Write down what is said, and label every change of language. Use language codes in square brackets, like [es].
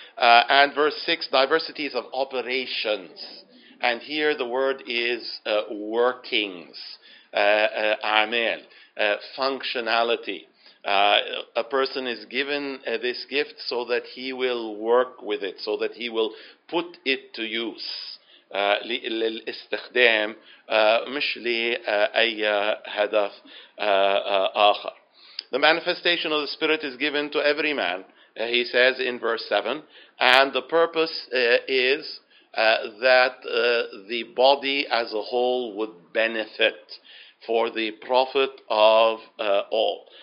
[en] And verse 6, diversities of operations. And here the word is workings, amel, functionality. A person is given this gift so that he will work with it, so that he will put it to use. [ar] للاستخدام مش لأي هدف آخر. [en] The manifestation of the Spirit is given to every man, he says in verse 7, and the purpose is that the body as a whole would benefit for the profit of all.